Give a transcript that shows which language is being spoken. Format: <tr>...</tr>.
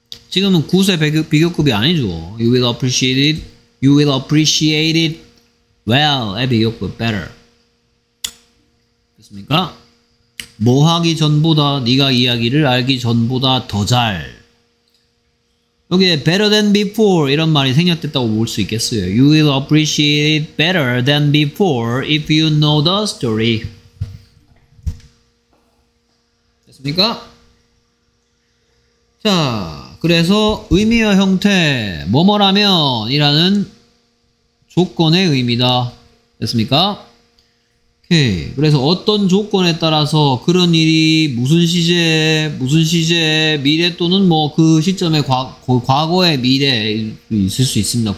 <ko>지금은 구세 비교급이 아니죠.</ko> <en>You will appreciate it. You will appreciate it well.</en> <ko>의 비교급</ko> <en>better.</en> <ko>됐습니까? 뭐 하기 전보다 네가 이야기를 알기 전보다 더 잘. 여기에</ko> <en>better than before</en> <ko>이런 말이 생략됐다고 볼 수 있겠어요.</ko> <en>You will appreciate it better than before if you know the story.</en> <ko>됐습니까? 자, 그래서 의미와 형태, 뭐뭐라면 이라는 조건의 의미다. 됐습니까? 그래서 어떤 조건에 따라서 그런 일이 무슨 시제, 무슨 시제, 미래 또는 뭐 그 시점의 과거의 미래 있을 수 있습니다.</ko>